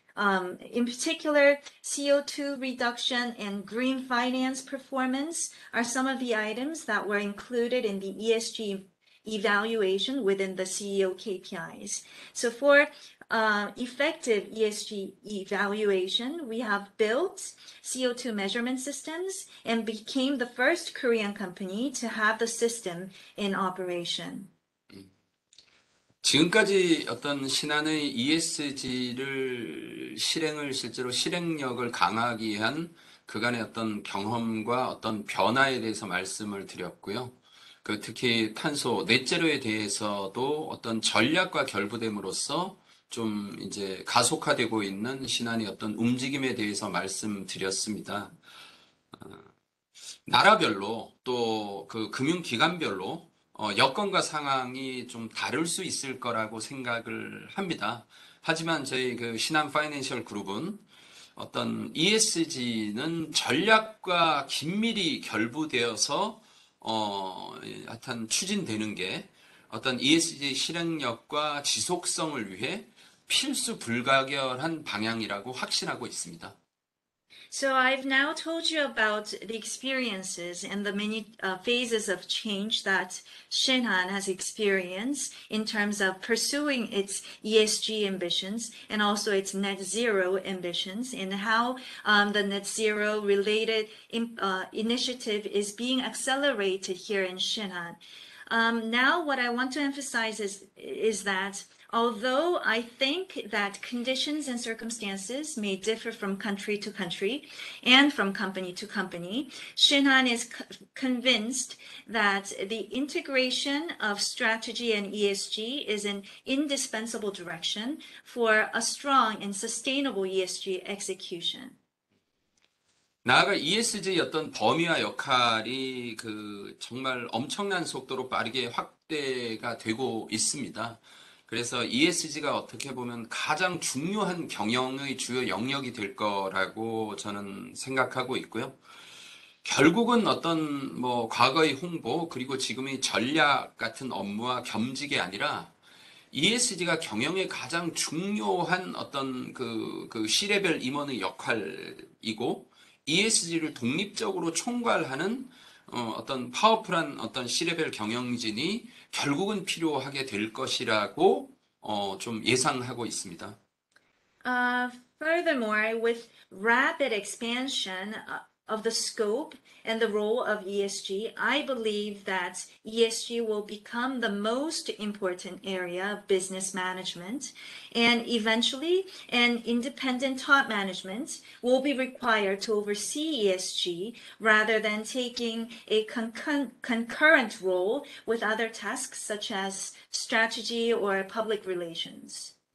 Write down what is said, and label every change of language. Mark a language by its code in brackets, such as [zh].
[en] In particular, CO2 reduction and green finance performance are some of the items that were included in the ESG evaluation within the CEO KPIs. So for effective ESG evaluation, we have built CO2 measurement systems and became the first Korean company to have the system in operation. [ko] 지금까지 어떤 신한의 ESG를 실행을 실제로 실행력을 강화하기 위한 그간의 어떤 경험과 어떤 변화에 대해서 말씀을 드렸고요. 그 특히 탄소, 넷제로에 대해서도 어떤 전략과 결부됨으로써 좀 이제 가속화되고 있는 신한의 어떤 움직임에 대해서 말씀드렸습니다. 나라별로 또 그 금융기관별로 여건과 상황이 좀 다를 수 있을 거라고 생각을 합니다. 하지만 저희 그 신한 파이낸셜 그룹은 어떤 ESG는 전략과 긴밀히 결부되어서 하여튼 추진되는 게 어떤 ESG 실행력과 지속성을 위해 필수 불가결한 방향이라고 확신하고 있습니다. [en] So I've now told you about the experiences and the many phases of change that Shinhan has experienced in terms of pursuing its ESG ambitions and also its net zero ambitions, and how the net zero related initiative is being accelerated here in Shinhan. Now what I want to emphasize is that although I think that conditions and circumstances may differ from country to country and from company to company, Shinhan is convinced that the integration of strategy and ESG is an indispensable direction for a strong and sustainable ESG execution. [ko] 나아가 ESG의 어떤 범위와 역할이 그 정말 엄청난 속도로 빠르게 확대가 되고 있습니다. 그래서 ESG가 어떻게 보면 가장 중요한 경영의 주요 영역이 될 거라고 저는 생각하고 있고요. 결국은 어떤 뭐 과거의 홍보 그리고 지금의 전략 같은 업무와 겸직이 아니라 ESG가 경영의 가장 중요한 어떤 그 C레벨 임원의 역할이고 ESG를 독립적으로 총괄하는 어떤 파워풀한 어떤 C레벨 경영진이 결국은 필요하게 될 것이라고 좀 예상하고 있습니다. [en] Furthermore, with rapid expansion of the scope and the role of ESG, I believe that ESG will become the most important area of business management, and eventually an independent top management will be required to oversee ESG rather than taking a concurrent role with other tasks such as strategy or public relations.